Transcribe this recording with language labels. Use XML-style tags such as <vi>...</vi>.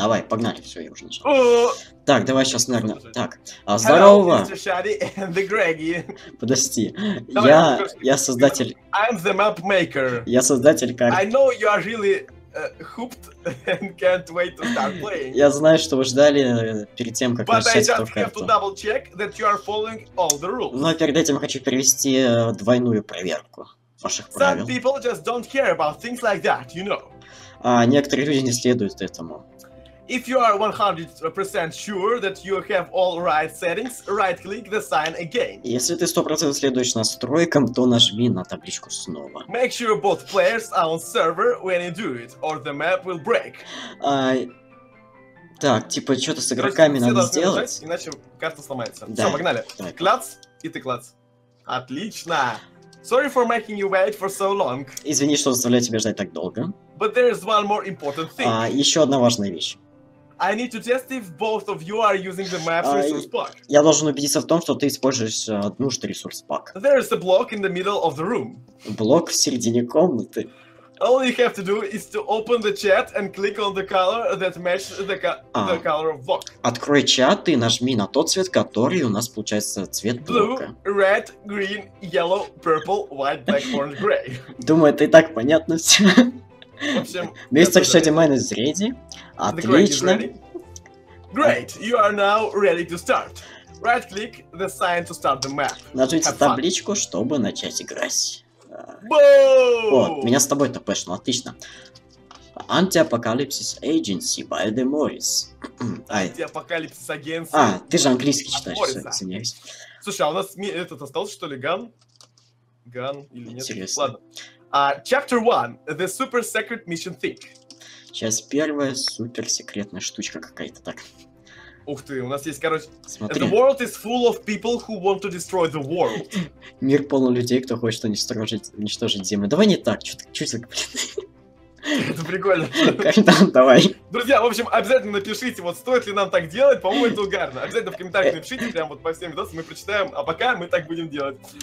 <ru>Давай, погнали, все, я уже нажал. Так, давай сейчас, наверное, так. Здорово.</ru> <en>Hello, Mr. Shady and the Greggy.</en> <ru>Подожди, я создатель...</ru> <en>I'm the map maker.</en> <ru>Я создатель карты.</ru> <en>I know you are really... hooped and can't wait to start playing.</en> <ru>Я знаю, что вы ждали перед тем, как</ru> <en>but</en> <ru>начать эту карту.</ru> <en>But I just have to double check that you are following all the rules.</en> <ru>Но перед этим я хочу провести двойную проверку ваших</ru> <en>some</en> <ru>правил.</ru> <en>Some people just don't care about things like that, you know.</en> <ru>Некоторые люди не следуют этому.</ru> <en>If you are 100% sure that you have all right settings, right-click the sign again.</en> <ru>Если ты 100% следуешь настройкам, то нажми на табличку снова.</ru> <en>Make sure both players are on server when you do it, or the map will break.</en> <ru>Так, типа, что-то с игроками надо сделать. Нажать, иначе карта сломается. Да. Все, погнали. Давай. Клац, и ты клац. Отлично!</ru> <en>Sorry for making you wait for so long.</en> <ru>Извини, что заставляю тебя ждать так долго.</ru> <en>But there is one more important thing.</en> <ru>Еще одна важная вещь.</ru> <en>I need to test if both of you are using the map resource pack.</en> <ru>Я должен убедиться в том, что ты используешь нужный ресурс пак.</ru> <en>There is a block in the middle of the room.</en> <ru>Блок в середине комнаты.</ru> <en>All you have to do is to open the chat and click on the color that matches the color of block.</en> <ru>Открой чат и нажми на тот цвет, который у нас получается цвет</ru> <en>blue,</en> <ru>блока.</ru> <en>Blue, red, green, yellow, purple, white, black, orange, gray.</en> <ru>Думаю, это и так понятно все. Мистер Шади Майнес</ru> <en>ready.</en> <ru>Отлично.</ru> <en>Great, you are now ready to start. Right click the sign to start the map.</en> <ru>Нажмите табличку, чтобы начать играть.</ru> <en>Boom!</en> <ru>Вот, меня с тобой ТП, ну отлично.</ru> <en>Anti-Apocalypse Agency by the Morris. Anti-Apocalypse Agency.</en> <ru>Ты же английский читаешь, извиняюсь. Слушай, а у нас этот остался, что ли, ган? Ган или нет? Интересно. Ладно.</ru> <en>Chapter 1. The Super Secret Mission Thing.</en> <ru>Сейчас первая суперсекретная штучка какая-то, так. Ух ты, у нас есть, короче... Смотри.</ru> <en>The world is full of people who want to destroy the world.</en> <ru>Мир полон людей, кто хочет уничтожить Землю. Давай не так, чуть-чуть, блин. Это прикольно. Капитан, давай. Друзья, в общем, обязательно напишите, вот стоит ли нам так делать, по-моему, это угарно. Обязательно в комментариях напишите, прям вот по всем видосам мы прочитаем, а пока мы так будем делать.</ru>